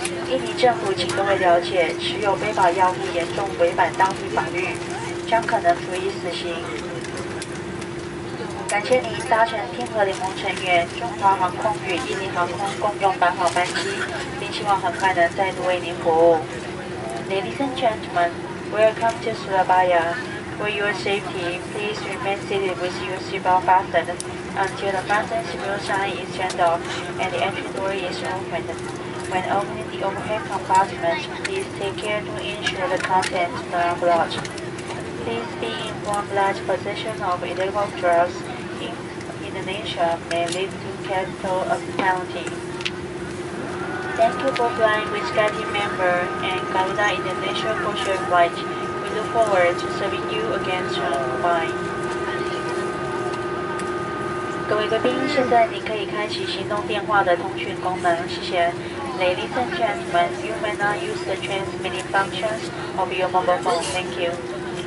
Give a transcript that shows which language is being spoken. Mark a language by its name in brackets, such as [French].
[Chinese] 印尼政府请各位了解，持有背包药物严重违反当地法律，将可能处以死刑。感谢您搭乘天河联盟成员中华航空与印尼航空共用版航班机。希望很快能再度为您服务。 [English] Ladies and gentlemen, welcome to Surabaya. For your safety, please remain seated with your seatbelt fastened until the fasten signal sign is turned off and the entry door is opened. When opening the overhead compartment, please take care to ensure the contents are locked. Please be informed that possession of illegal drugs in Indonesia may lead to capital penalty. Thank you for flying with Skyteam member and Canada International Culture Flight. We look forward to serving you again soon. Bye. [Chinese] 各位贵宾，现在您可以开启行动电话的通讯功能，谢谢。 [English] Ladies and gentlemen, you may now use the transmitting functions of your mobile phone. Thank you.